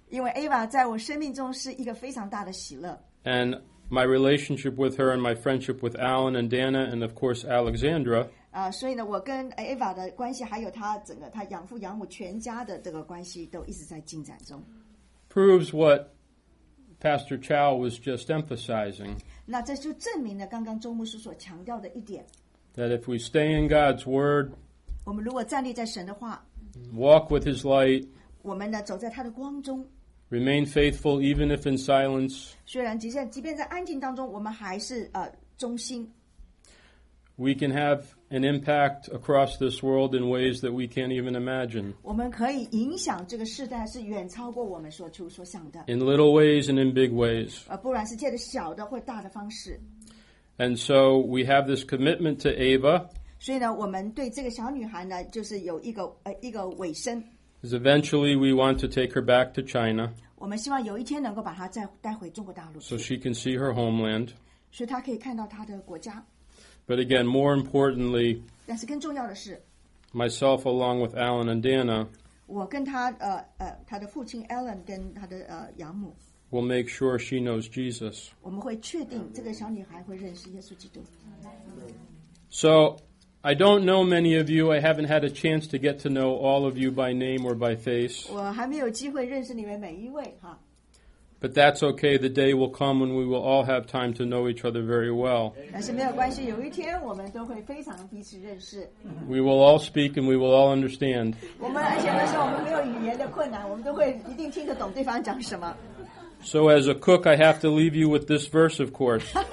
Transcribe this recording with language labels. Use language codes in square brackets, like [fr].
[zh] 因为 Ava 在我生命中是一个非常大的喜乐。 [en] And my relationship with her and my friendship with Alan and Dana and of course Alexandra. [zh] 所以呢，我跟 Ava 的关系，还有她整个她养父养母全家的这个关系，都一直在进展中。 [en] Proves what Pastor Chow was just emphasizing. [zh] 那这就证明了刚刚周牧师所强调的一点。 [en] That if we stay in God's word, [zh] 我们如果站立在神的话 [en] ，walk with His light, [zh] 我们呢走在他的光中 [en] ，remain faithful even if in silence. [zh] 虽然即便在安静当中，我们还是忠心。 [en] We can have an impact across this world in ways that we can't even imagine. [zh] 我们可以影响这个世代是远超过我们所求所想的。 [en] In little ways and in big ways. [zh] 不然是借着小的或大的方式。 [en] And so we have this commitment to Ava. [zh] 所以呢，我们对这个小女孩呢，就是有一个尾声。 [en] Because eventually we want to take her back to China. [zh] 我们希望有一天能够把她再带回中国大陆。 [en] So she can see her homeland. [zh] 所以她可以看到她的国家。 [en] But again, more importantly, [zh] 但是更重要的是, [en] myself along with Alan and Dana, [zh] 我跟他, 他的父亲 Alan 跟他的, 养母, [en] will make sure she knows Jesus. [zh] 我们会确定这个小女孩会认识耶稣基督。 [en] So, I don't know many of you. I haven't had a chance to get to know all of you by name or by face. [zh] 我还没有机会认识你们每一位, huh? [en] But that's okay. The day will come when we will all have time to know each other very well. We will all speak and we will all understand. So as a cook, I have to leave you with this verse, of course.